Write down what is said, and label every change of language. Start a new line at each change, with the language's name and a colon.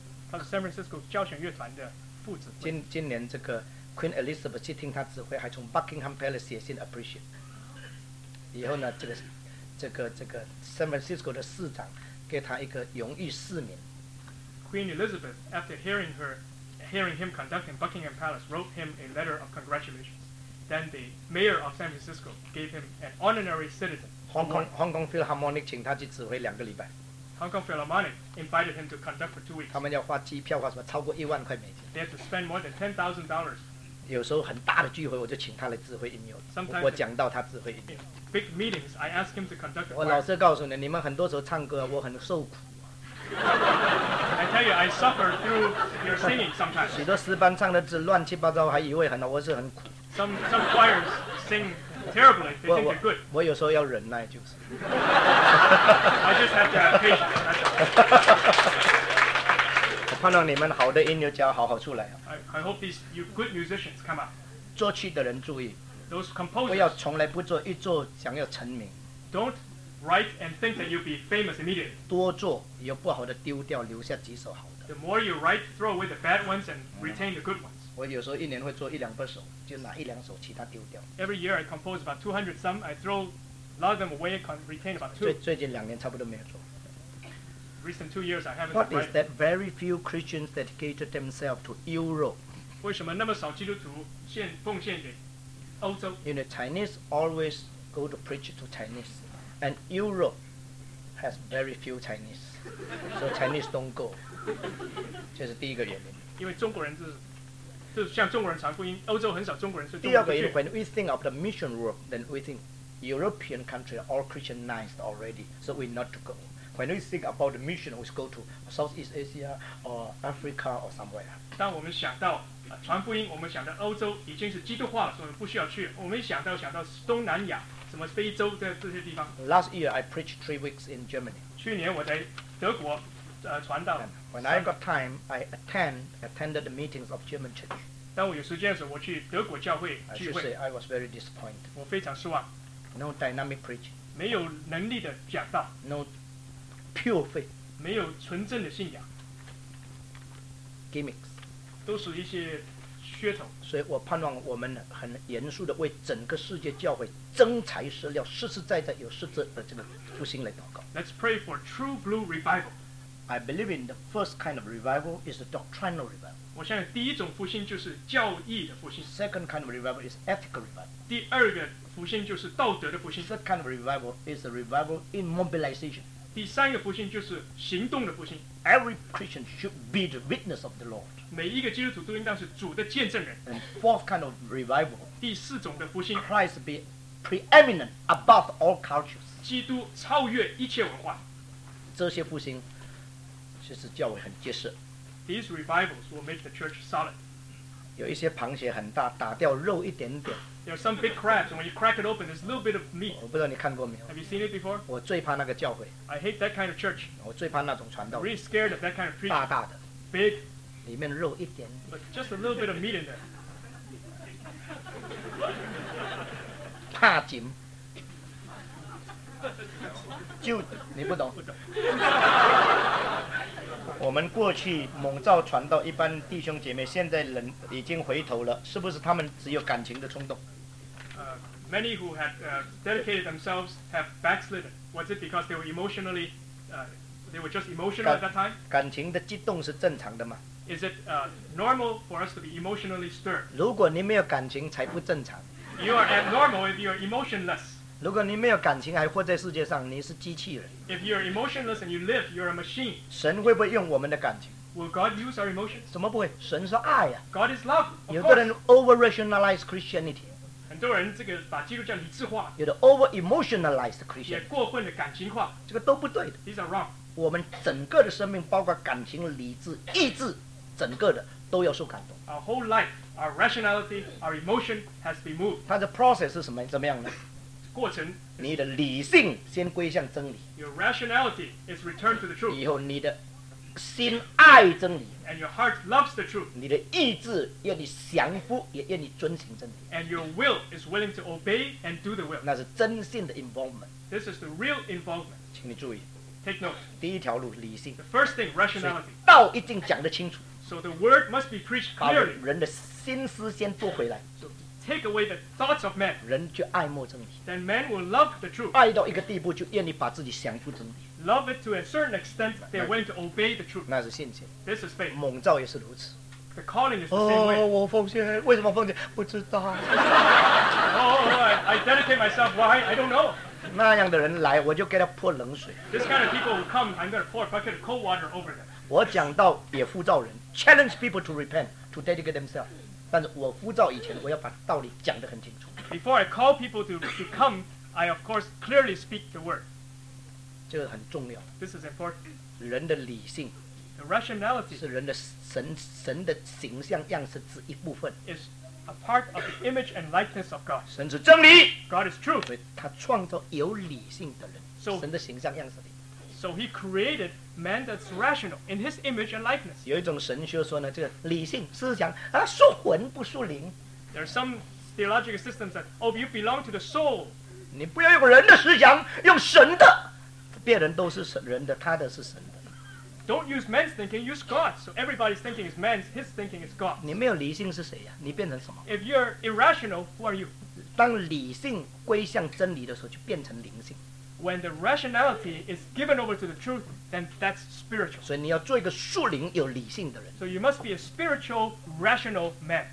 Chinese: 他是 San Francisco 交响乐团的副指挥。今年这个 Queen Elizabeth 去听他指挥，还从 Buckingham Palace 写信 appreciate。以后呢，这个 San Francisco 的市长给他一个荣誉市民。
English: Queen Elizabeth, after hearing him conducting Buckingham Palace, wrote him a letter of congratulations. Then the mayor of San Francisco gave him an honorary citizen.
Chinese: Hong Kong Philharmonic 请他去指挥两个礼拜。
English: Hong Kong Philharmonic invited him to conduct for 2 weeks.
Chinese: 他们要花机票花什么超过10,000块美金。
English: They had to spend more than $10,000.
Chinese: 有时候很大的聚会，我就请他来指挥音乐。我讲到他指挥音乐。
English: Big meetings, I ask him to conduct.
Chinese: 我老实告诉你，你们很多时候唱歌，我很受苦。
English: I tell you, I suffer through your singing sometimes.
Chinese: 许多诗班唱的字乱七八糟，还以为很好，我是很苦。
English: Some choirs sing terribly. They think they're good.
Chinese: 我有时候要忍耐，就是。
English: I just have to have patience. That's all.
Chinese: 我盼望你们好的音乐家好好出来。
English: I hope these you good musicians come up.
Chinese: 作曲的人注意。
English: Those composers,
Chinese: 不要从来不做，一做想要成名。
English: Don't write and think that you'll be famous immediately.
Chinese: 多做，有不好的丢掉，留下几首好的。
English: The more you write, throw away the bad ones and retain the good ones.
Chinese: 我有时候一年会做一两百首，就拿一两首其他丢掉。
English: Every year I compose about 200 some. I throw a lot of them away and retain about 2.
Chinese: 最近两年差不多没有做。
English: Recent 2 years I haven't. What is that? Very few Christians dedicated themselves to Europe.
Chinese: 为什么那么少基督徒献奉献给？
English: You know, Chinese always go to preach to Chinese, and Europe has very few Chinese, so Chinese don't go.
Chinese: 这是第一个原因。因为中国人就是像中国人传福音，欧洲很少中国人是中国人。第二个原因
English: ，when we think of the mission work, then we think European country are all Christianized already, so we not to go. When we think about the mission, we go to Southeast Asia or Africa or somewhere.
Chinese: 当我们想到传福音，我们想到欧洲已经是基督化了，所以不需要去。我们想到东南亚，什么非洲这些地方。
English: Last year I preached 3 weeks in Germany.
Chinese: 去年我在德国传道。
English: And、when I got time, I attended the meetings of German church.
Chinese: 当我有时间的时候，我去德国教会聚会。
English: I should say I was very disappointed.
Chinese: 我非常失望。
English: No dynamic preaching.
Chinese: 没有能力的讲道。
English: No pure faith.
Chinese: 没有纯正的信仰。
English: Gimmicks.
Chinese: 都是一些噱头，所以我盼望我们很严肃地为整个世界教会真材实料、实实在在有实质的这个复兴来祷告。
English: Let's pray for true blue revival. I believe in the first kind of revival is the doctrinal revival.
Chinese: 我相信第一种复兴就是教义的复兴。
English: Second kind of revival is ethical revival.
Chinese: 第二个复兴就是道德的复兴。
English: Third kind of revival is the revival in mobilization.
Chinese: 第三个复兴就是行动的复兴。
English: Every Christian should be the witness of the Lord.
Chinese: 每一个基督徒都应当是主的见证人。
English: And fourth kind of revival,
Chinese: 第四种的复兴
English: ，Christ be preeminent above all cultures.
Chinese: 基督超越一切文化。这些复兴，其实教会很结实。
English: These revivals will make the church solid.
Chinese: 有一些螃蟹很大，打掉肉一点点。
English: There are some big crabs, and when you crack it open, there's a little bit of meat.
Chinese: 我不知道你看过没有
English: ？Have you seen it before?
Chinese: 我最怕那个教会。
English: I hate that kind of church.
Chinese: 我最怕那种传道。
English: I'm really scared of that kind of preaching.
Chinese: 大大的。
English: Big.
Chinese: 里面肉一点，
English: just a little bit of meat in there.
Chinese: 怕紧，就你不懂。我们过去猛照传道，一般弟兄姐妹现在人已经回头了，是不是他们只有感情的冲动
English: ？Many who had dedicated themselves have backslidden. Was it because they were emotionally, they were just emotional at that time?
Chinese: 感情的激动是正常的吗？
English: Is it normal for us to be emotionally stirred?
Chinese: 如果你没有感情，才不正常。
English: You are abnormal if you are emotionless.
Chinese: 如果你没有感情，还活在世界上，你是机器人。
English: If you are emotionless and you live, you are a machine.
Chinese: 神会不会用我们的感情？
English: Will God use our emotions?
Chinese: 怎么不会？神是爱啊。
English: God is love.
Chinese: 有的人
English: over-rationalize Christianity.
Chinese: 很多人这个把基督教理智化。有的
English: over-emotionalize Christianity.
Chinese: 也过分的感情化。这个都不对的。
English: These are wrong.
Chinese: 我们整个的生命，包括感情、理智、意志。整个的都要受感动。
English: Our whole life, our rationality, our emotion has been moved.
Chinese: 它的 process 是什么？怎么样呢？过程，你的理性先归向真理，
English: your rationality is returned to the truth，
Chinese: 以后你的心爱真理，
English: and your heart loves the truth，
Chinese: 你的意志愿你降服，也愿你遵行真理，
English: and your will is willing to obey and do the will，
Chinese: 那是真信的 involvement，
English: this is the real involvement，
Chinese: 请你注意，
English: take note，
Chinese: 第一条路理性，
English: the first thing rationality，
Chinese: 道一定讲得清楚，
English: so the word must be preached clearly，
Chinese: 把人的心思先做回来，
English: so take away the thoughts of man，
Chinese: 人就爱慕真理，
English: then man will love the truth，
Chinese: 爱到一个地步就愿意把自己降服真理，
English: love it to a certain extent they are willing to obey the truth，
Chinese: 那是信心，
English: this is faith，
Chinese: 蒙召也是如此，
English: the calling is the same way，
Chinese: 我奉献，为什么奉献，不知道
English: I dedicate myself, why I don't know，
Chinese: 那样的人来我就给他泼冷水，
English: this kind of people who come I'm going to pour a bucket of cold water over them，
Chinese: 我讲到也呼召人
English: challenge people to repent to dedicate themselves，
Chinese: 但是我呼召以前我要把道理讲得很清楚，
English: before I call people to come I of course clearly speak the word，
Chinese: 这个很重要，
English: this is important，
Chinese: 人的理性，
English: the rationality
Chinese: 是人的 神的形象样式之一部分，
English: is a part of the image and likeness of God，
Chinese: 神是真理，
English: God is truth，
Chinese: 所以他创造有理性的人，
English: so,
Chinese: 神的形象样式里，
English: so he created man that's rational in his image and likeness，
Chinese: 有一种神学说呢，这个理性思想啊，属魂不属灵，
English: there are some theological systems that oh you belong to the soul，
Chinese: 你不要用人的思想，用神的，别人都是神人的，他的是神的。
English: Don't use man's thinking, use God's. So everybody's thinking is man's, his thinking is God's.
Chinese: 你没有理性是谁呀？你变成什么
English: ？If you're irrational, who are you?
Chinese: 当理性归向真理的时候，就变成灵性。
English: When the rationality is given over to the truth, then that's spiritual.
Chinese: 所以你要做一个属灵有理性的人。
English: So you must be a spiritual, rational man.